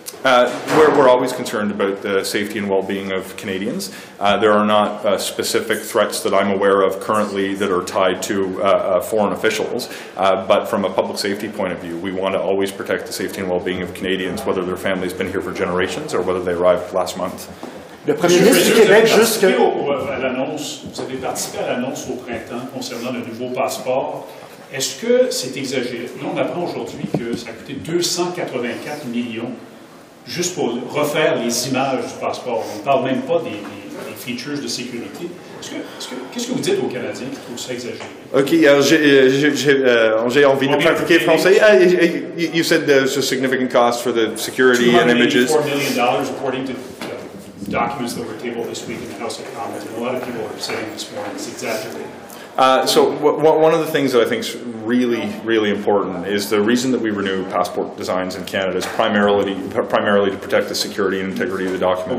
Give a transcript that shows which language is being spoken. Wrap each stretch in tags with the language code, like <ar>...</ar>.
<en>We're always concerned about the safety and well-being of Canadians. There are not specific threats that I'm aware of currently that are tied to foreign officials, but from a public safety point of view, we want to always protect the safety and well-being of Canadians, whether their family's been here for generations or whether they arrived last month.</en> <fr>Le Premier ministre du Québec, jusque... Vous avez participé à l'annonce au printemps concernant le nouveau passeport. Est-ce que c'est exagéré? Là, on apprend aujourd'hui que ça a coûté 284 millions juste pour refaire les images du passeport. On ne parle même pas des features de sécurité. Qu'est-ce que vous dites aux Canadiens qui trouvent ça exagéré? OK, alors j'ai envie de pratiquer français.</fr> <en>You said there's a significant cost for the security and images. $284 million, according to... documents that were tabled this week in the House of Commons, and a lot of people are saying this morning it's exaggerated. One of the things that I think is really, really important is the reason that we renew passport designs in Canada is primarily to protect the security and integrity of the document.</en>